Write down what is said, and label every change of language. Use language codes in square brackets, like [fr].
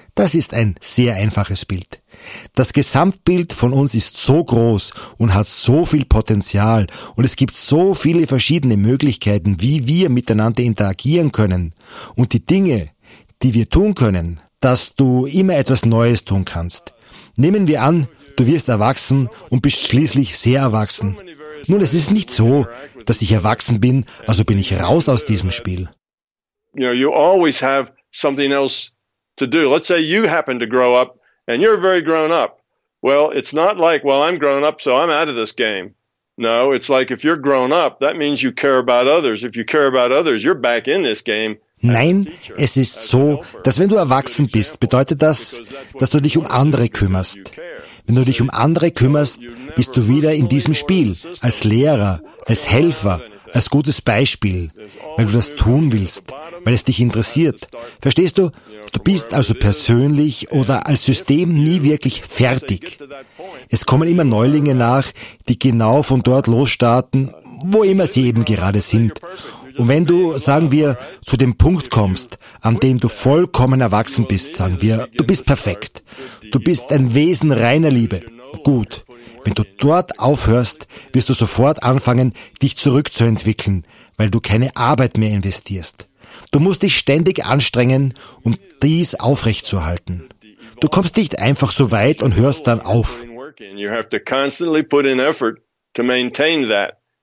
[de] Das ist ein sehr einfaches Bild. Das Gesamtbild von uns ist so groß und hat so viel Potenzial und es gibt so viele verschiedene Möglichkeiten, wie wir miteinander interagieren können und die Dinge, die wir tun können, dass du immer etwas Neues tun kannst. Nehmen wir an, du wirst erwachsen und bist schließlich sehr erwachsen. Nun, es ist nicht so, dass ich erwachsen bin, also bin ich raus aus diesem Spiel. [en] You know, you always have something else to do. Let's say you happen to grow up and you're very grown up. Well, it's not like, well, I'm grown up, so I'm out of this game. No, it's like if you're grown up, that means you care about others. If you care about others, you're back in this game. [de] Nein, es ist so, dass wenn du erwachsen bist, bedeutet das, dass du dich um andere kümmerst. Wenn du dich um andere kümmerst, bist du wieder in diesem Spiel, als Lehrer, als Helfer, als gutes Beispiel, weil du das tun willst, weil es dich interessiert. Verstehst du? Du bist also persönlich oder als System nie wirklich fertig. Es kommen immer Neulinge nach, die genau von dort losstarten, wo immer sie eben gerade sind. Und wenn du, sagen wir, zu dem Punkt kommst, an dem du vollkommen erwachsen bist, sagen wir, du bist perfekt. Du bist ein Wesen reiner Liebe. Gut. Wenn du dort aufhörst, wirst du sofort anfangen, dich zurückzuentwickeln, weil du keine Arbeit mehr investierst. Du musst dich ständig anstrengen, um dies aufrechtzuerhalten. Du kommst nicht einfach so weit und hörst dann auf. [en] You have to constantly put in effort to maintain that.